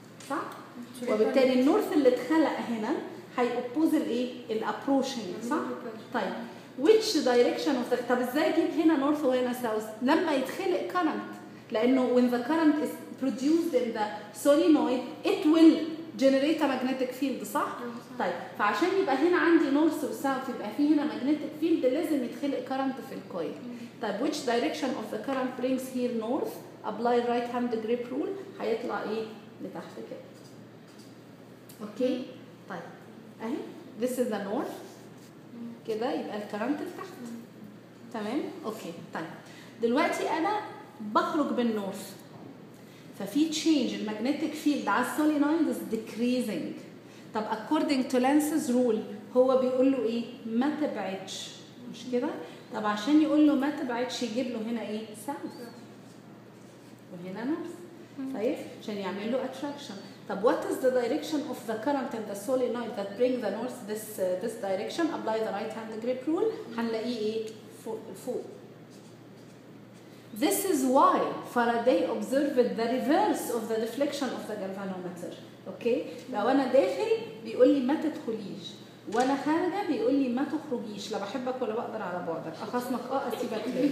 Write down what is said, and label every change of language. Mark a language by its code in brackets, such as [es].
[ar] صح؟ وبالتالي النورث اللي اتخلق هنا هي oppose الايه؟ الابروشنج. صح؟ طيب [en] which direction of the... [ar] طب ازاي اجيب هنا north وهنا south؟ لما يتخلق current. [en] لانه when the current is produced in the solenoid it will generate a magnetic field. [ar] صح؟ طيب فعشان يبقى هنا عندي north وsouth يبقى في هنا magnetic field لازم يتخلق current في الكويل. [en] طيب which direction of the current brings here north, apply right hand grip rule, [ar] هيطلع ايه؟ لتحت كده. اوكي؟ طيب اهي [en] this is the north [ar] كده يبقى الكرنت لتحت. تمام؟ اوكي. طيب دلوقتي انا بخرج بالنورث ففي change الماجنتيك فيلد على السولينويد is decreasing. طب [en] according to Lenz's rule [ar] هو بيقول له ايه؟ ما تبعدش مش كده؟ طب عشان يقول له ما تبعدش يجيب له هنا ايه؟ south وهنا north. طيب عشان يعمل له [en] attraction. طب what is the direction of the current in the solenoid that bring the north this direction, apply the right hand grip rule, هنلاقيه ايه؟ فوق. This is why Faraday observed the reverse of the reflection of the galvanometer. Okay? [ar] لو انا داخل بيقول لي ما تدخليش وانا خارجه بيقول لي ما تخرجيش، لا بحبك ولا بقدر على بعدك، اخصمك اسيبك ليه.